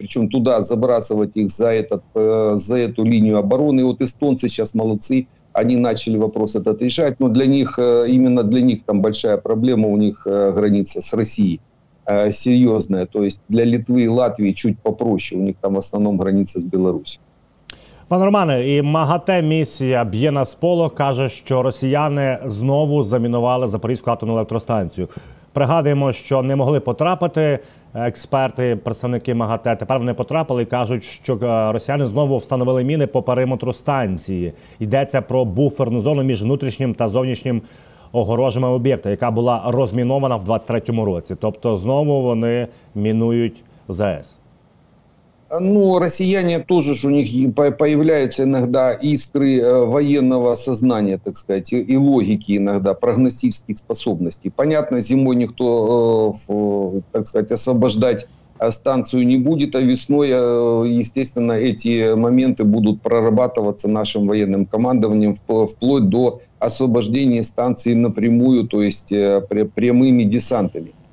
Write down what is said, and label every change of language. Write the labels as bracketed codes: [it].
[ru] Причем туда забрасывать их за эту линию обороны. И вот эстонцы сейчас молодцы, они начали вопрос этот решать, но именно для них там большая проблема, у них граница с Россией серьезная. То есть для Литвы и Латвии чуть попроще, у них там в основном граница с Беларусью. [uk] Пане Романе, і МАГАТЕ місія б'є на сполох, каже, що росіяни знову замінували Запорізьку атомну електростанцію. Пригадуємо, що не могли потрапити експерти, представники МАГАТЕ, тепер вони потрапили і кажуть, що росіяни знову встановили міни по периметру станції. Йдеться про буферну зону між внутрішнім та зовнішнім огорожами об'єкта, яка була розмінована в 23-му році. Тобто знову вони мінують ЗАЕС. [ru] Ну, россияне тоже ж, у них появляются иногда искры военного сознания, так сказать, и логики иногда, прогностических способностей. Понятно, зимой никто, так сказать, освобождать станцию не будет, а весной, естественно, эти моменты будут прорабатываться нашим военным командованием вплоть до освобождения станции напрямую, то есть прямыми десантами.